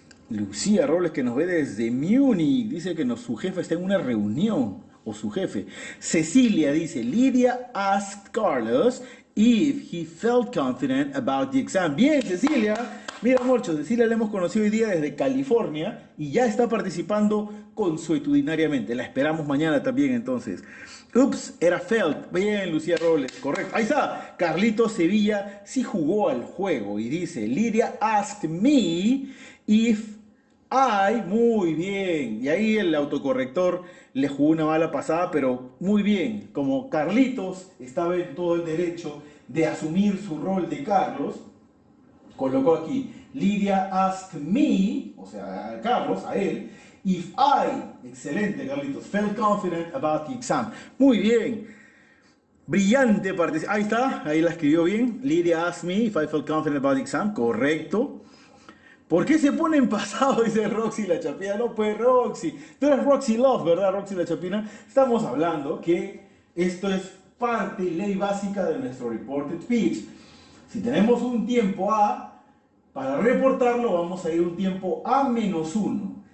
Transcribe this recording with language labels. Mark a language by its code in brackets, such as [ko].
[es] Lucía Robles, que nos ve desde Múnich, dice que su jefe está en una reunión, o su jefe. [en] Cecilia dice: Lydia asked Carlos if he felt confident about the exam. [es] Bien, Cecilia. Mira, Morcho, Cecilia la hemos conocido hoy día desde California y ya está participando consuetudinariamente. La esperamos mañana también, entonces. Ups, era felt. Bien, Lucía Robles, correcto. Ahí está. Carlito Sevilla sí jugó al juego y dice: [en] Lydia asked me if I. [es] Muy bien. Y ahí el autocorrector le jugó una mala pasada, pero muy bien. Como Carlitos estaba en todo el derecho de asumir su rol de Carlos, colocó aquí: [en] Lydia asked me, [es] o sea, a Carlos, a él. [en] If I, excelente Carlitos, felt confident about the exam. [es] Muy bien, brillante participación. Ahí está, ahí la escribió bien. [en] Lydia asked me if I felt confident about the exam. [es] Correcto. ¿Por qué se pone en pasado? Dice Roxy La Chapina. No, pues Roxy, tú eres Roxy Love, ¿verdad? Roxy La Chapina. Estamos hablando que esto es parte, ley básica de nuestro reported speech. Si tenemos un tiempo A, para reportarlo vamos a ir un tiempo A menos uno.